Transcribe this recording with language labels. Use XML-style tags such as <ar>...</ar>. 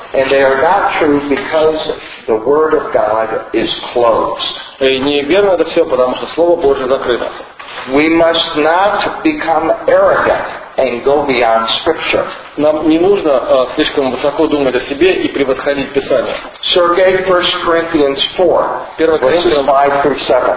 <en>And they are not true because the word of God is closed.</en> <ru>И неверно это все, потому что Слово Божье закрыто.</ru> <en>We must not become arrogant and go beyond Scripture.</en> <ru>Нам не нужно слишком высоко думать о себе и превосходить Писание.</ru> <en>Сергей, 1 Corinthians 4, verses 5 through 7.</en>